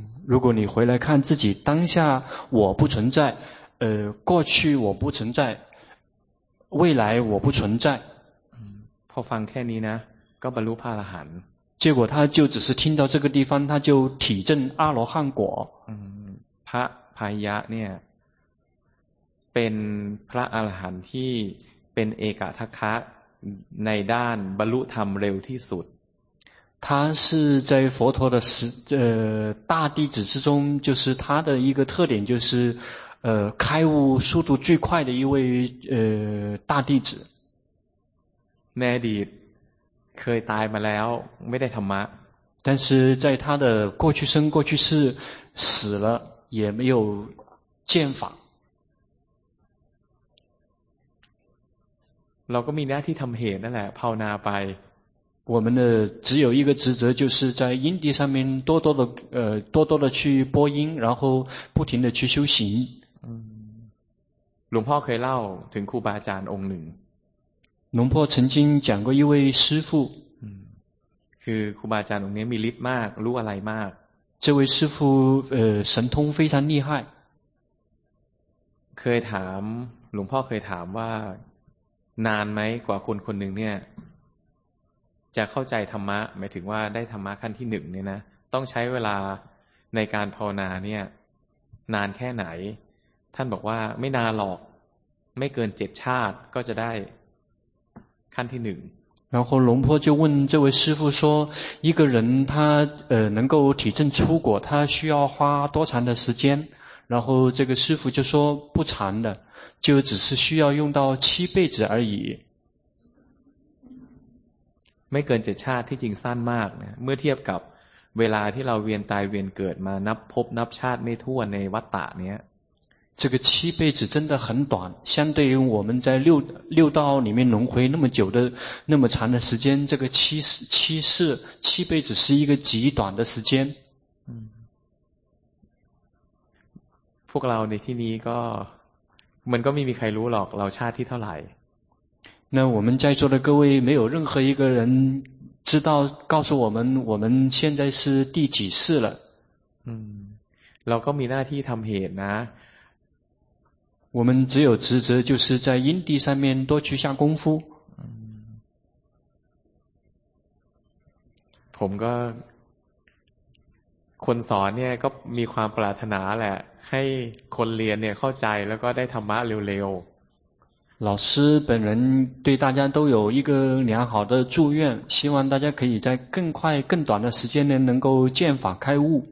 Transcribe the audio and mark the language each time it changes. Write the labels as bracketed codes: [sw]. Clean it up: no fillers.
[zh] 如果你回来看自己当下我不存在过去我不存在未来我不存在 [th] พอฟังแค่นี้นะก็บรรลุพระอรหันต์ [zh] 结果他就只是听到这个地方他就体证阿罗汉果 [th] พระพายะเนี่ยเป็นพระอรหันต์ที่เป็นเอกทัคคะในด้านบรรลุธรรมเร็วที่สุด [zh] 他是在佛陀的大弟子之中就是他的一个特点就是开悟速度最快的一位大弟子 [th] ในอดีตเคยตายมาแล้วไม่ได้ธรรมะ [zh] 但是在他的过去生过去世死了也没有见法 [th] เราก็มีหน้าที่ทำเหตุนั่นแหละภาวนาไป [zh] 我们的只有一个职责就是在因地上面多多的多多的去播因然后不停的去修行 [th] หลวงพ่อเคยเล่าถึงครูบาอาจารย์องค์หนึ่ง [zh] หลวงพ่อ曾经讲过一位师父 [th] คือครูบาอาจารย์องค์นี้มีฤทธิ์มากรู้อะไรมาก [zh] 这位师父神通非常厉害 [th] เคยถามหลวงพ่อเคยถามว่านานไหมกว่าคนคนหนึ่งเนี่ยจะเข้าใจธรรมะหมายถึงว่าได้ธรรมะขั้นที่หนึ่งเนี่ยนะต้องใช้เวลาในการภาวนาเนี่ยนานแค่ไหนท่านบอกว่าไม่นานหรอกไม่เกิน7ชาติก็จะได้ขั้นที่หนึ่ง [zh] 然后龙婆就问这位师父说一个人他能够体证出果他需要花多长的时间然后这个师父就说不长的就只是需要用到七辈子而已 [th] ไม่เกินเจ็ดชาติที่จริงสั้นมากนะเมื่อเทียบกับเวลาที่เราเวียนตายเวียนเกิดมานับพบนับชาติไม่ทั่วในวัฏฏะเนี้ย [zh] 这个七辈子真的很短相对于我们在六道里面轮回那么久的那么长的时间这个七辈子是一个极短的时间 [th] พวกเราในที่นี้ก็มันก็ไม่มีใครรู้หรอกเราชาติที่เท่าไหร่ [zh] 那我们在座的各位没有任何一个人知道告诉我们我们现在是第几世了 [th] เราก็มีหน้าที่ทำเหตุนะ [zh] 我们只有职责就是在因地上面多去下功夫。 [th] ผมก็คนสอนเนี่ยก็มีความปรารถนาแหละให้คนเรียนเนี่ยเข้าใจแล้วก็ได้ธรรมะเร็ว [zh] ๆ老师本人对大家都有一个良好的祝愿希望大家可以在更快更短的时间内能够见法开悟